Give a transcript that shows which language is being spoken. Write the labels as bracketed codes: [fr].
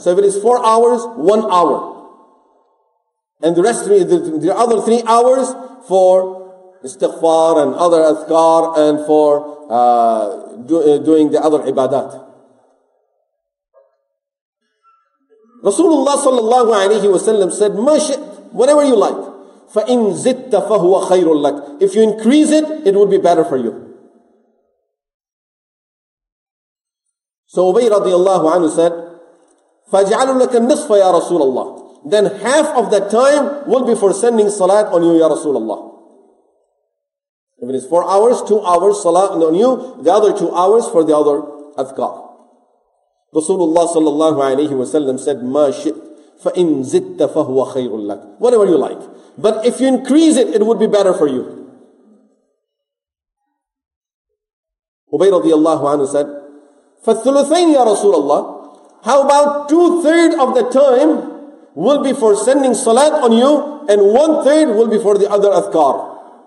[en] So if it is 4 hours, 1 hour. And the rest, the other 3 hours for istighfar and other adhkar and for doing the other ibadat. Rasulullah sallallahu alayhi wa sallam said, Mashit, whatever you like. [ar] فَإِن زِدْتَ فَهُوَ خَيْرٌ لَكَ. [en] If you increase it, it would be better for you. So Ubay radiallahu anhu said, [ar] فَاجْعَلُ لَكَ النِّصْفَ يَا رَسُولَ اللَّهِ. [en] Then half of that time will be for sending salat on you, Ya Rasulullah. If it is 4 hours, 2 hours salat on you, the other 2 hours for the other adhkar. Rasulullah sallallahu alayhi wa sallam said, [ar] مَا شِئْتْ فَإِنْ زِدْتَ فَهُوَ خَيْرٌ لَكَ. [en] Whatever you like. But if you increase it, it would be better for you. Ubay radiallahu anhu said, [ar] فَالثُلُثَيْنْ يَا رَسُولَ اللَّهِ. [en] How about 2/3 of the time will be for sending salat on you, and 1/3 will be for the other adhkar.